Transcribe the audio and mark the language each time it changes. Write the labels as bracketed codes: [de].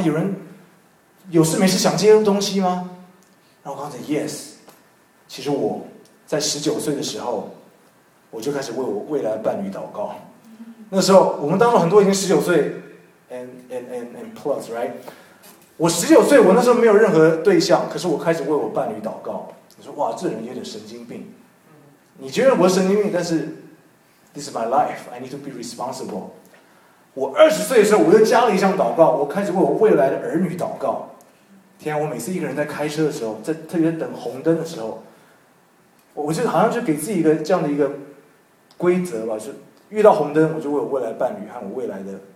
[zh] 有人有事没事想这些东西吗？然后我刚才 yes， 其实我在19岁的时候，我就开始为我未来的伴侣祷告。那时候我们当中很多已经19岁。 [en] And plus right， [zh] 我19岁，我那时候没有任何对象，可是我开始为我伴侣祷告。你说哇，这人有点神经病。你觉得我神经病，但是 [en] this is my life， I need to be responsible。 [zh] 我20岁的时候，我又加了一项祷告，我开始为我未来的儿女祷告。天啊，我每次一个人在开车的时候，在特别等红灯的时候，我就好像就给自己一个这样的一个规则吧，就遇到红灯，我就为我未来伴侣和我未来的。